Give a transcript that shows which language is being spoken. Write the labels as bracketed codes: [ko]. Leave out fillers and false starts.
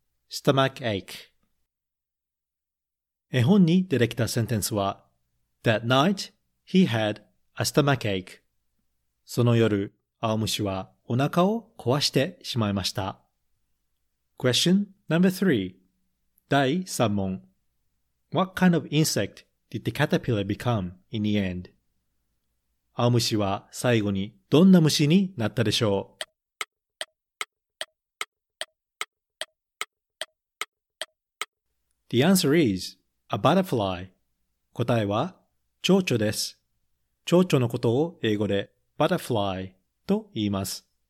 [en] stomach ache。 [ja] 絵本に出てきたセンテンスは、 [en] That night, he had a stomach ache. [ja] その夜、青虫はお腹を壊してしまいました。 [en] Question number three. [ja] 第3問。 [en] What kind of insect did the caterpillar become in the end? [ja] 青虫は最後にどんな虫になったでしょう？ [en] The answer is a butterfly. [ja] 答えは蝶々です。蝶々のことを英語で butterfly と言います。